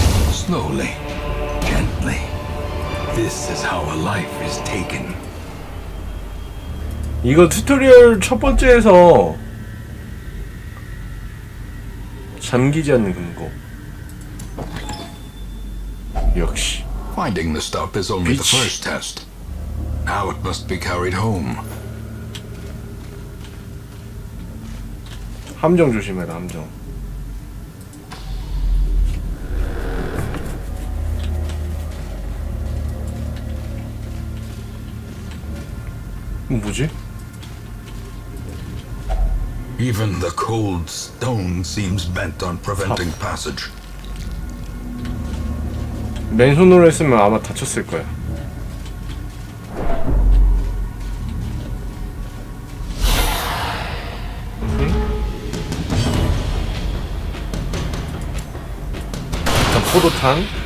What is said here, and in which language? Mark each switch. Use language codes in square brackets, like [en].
[en] 슬로우리, gently. This is how a life is taken. [ko] 이거 튜토리얼 첫 번째에서 잠기 전 금고. 역시. [en] Finding the stuff is only the first test. Now it must be carried home. [ko] 함정 조심해라, 함정. 뭐지? [en] Even the cold stone seems bent on preventing passage. [ko] 맨손으로 했으면 아마 다쳤을 거야. 자, 포도탄.